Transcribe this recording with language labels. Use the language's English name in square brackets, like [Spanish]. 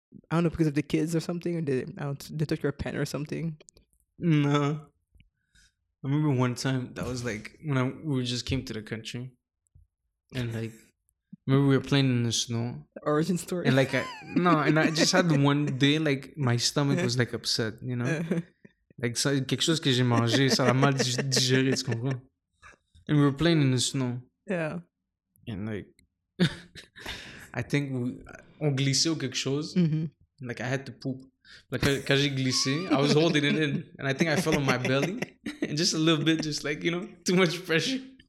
[English] I don't know, because of the kids or something? Or they took your pen or something? No. I remember one time, that was like when we just came to the country. And like, remember we were playing in the snow. Origin story. And like, I just had one day, like my stomach was like upset, you know? [French] Like, ça, quelque chose que j'ai mangé, ça a mal digéré, tu comprends? [English] And we were playing in the snow. Yeah. [French] And like, I think on glissait ou quelque chose. Mm-hmm. [English] Like, I had to poop. Like, quand j'ai glissé, I was holding it in. And I think I fell on my belly. And just a little bit, just like, you know, too much pressure.